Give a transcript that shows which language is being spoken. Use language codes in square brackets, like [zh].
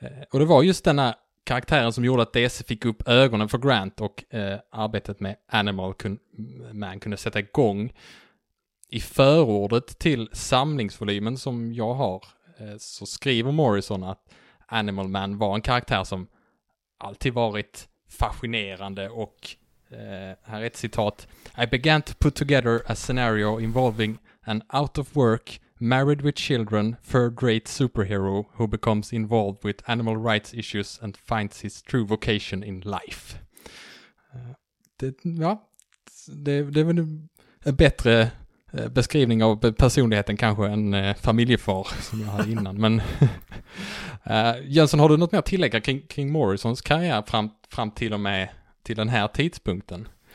[sv] Och det var just denna karaktären som gjorde att DC fick upp ögonen för Grant och arbetet med Animal Man kunde sätta igång. I förordet till samlingsvolymen som jag har så skriver Morrison att Animal Man var en karaktär som alltid varit fascinerande och här är ett citat. [en] I began to put together a scenario involving an out of work, married with children, third grade superhero who becomes involved with animal rights issues and finds his true vocation in life. [sv] Det var en bättre beskrivning av personligheten kanske än familjefar som jag hade innan. Men Jönsson, har du något mer att tillägga kring Morrisons karriär fram till och med till den här tidpunkten?